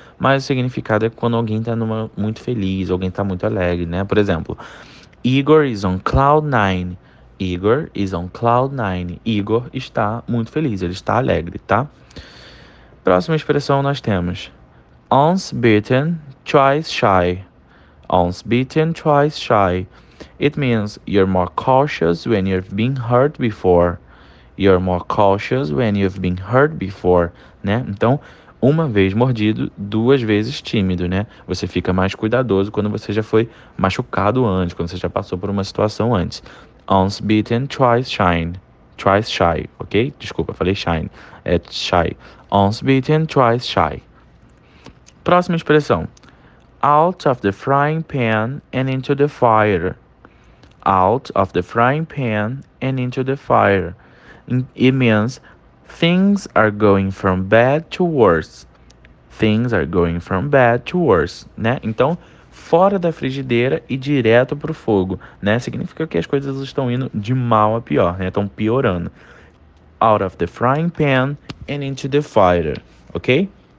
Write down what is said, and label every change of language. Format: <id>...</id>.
<pt>Mas o significado é quando alguém está muito feliz, alguém está muito alegre, né? Por exemplo,</pt> <en>Igor is on cloud nine. Igor is on cloud nine.</en> <pt>Igor está muito feliz, ele está alegre, tá? Próxima expressão nós temos:</pt> <en>once bitten, twice shy. Once bitten, twice shy. It means you're more cautious when you've been hurt before. You're more cautious when you've been hurt before, né?</en> <pt>Então, uma vez mordido, duas vezes tímido, né? Você fica mais cuidadoso quando você já foi machucado antes, quando você já passou por uma situação antes.</pt> <en>Once bitten, twice shine. Twice shy, ok?</en> <pt>Desculpa, falei</pt> <en>shine. É shy. Once bitten, twice shy.</en> <pt>Próxima expressão:</pt> <en>out of the frying pan and into the fire. Out of the frying pan and into the fire. It means things are going from bad to worse. Things are going from bad to worse, né?</en> <pt>Então, fora da frigideira e direto pro fogo, né? Significa que as coisas estão indo de mal a pior, né? Estão piorando.</pt> <en>Out of the frying pan and into the fire, ok?</en>